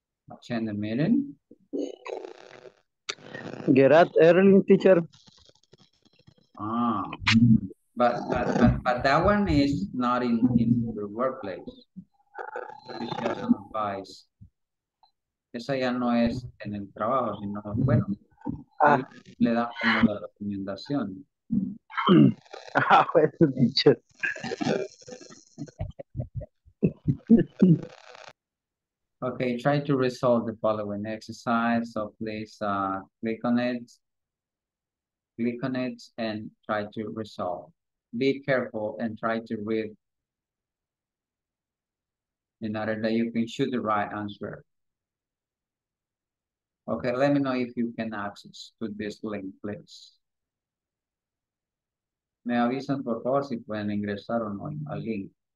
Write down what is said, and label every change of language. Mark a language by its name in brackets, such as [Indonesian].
[English] Attend the meeting. Get up early, teacher. Ah, but that one is not in the workplace. It's just an advice. [Spanish] Esa ya no es en el trabajo, sino, bueno, le da como la recomendación. Ah, bueno, dicho. [English] Okay, try to resolve the following exercise. So please click on it and try to resolve. Be careful and try to read in order that you can choose the right answer. Okay, let me know if you can access to this link, please. [Spanish] Me avisan por favor si pueden ingresar o no al link.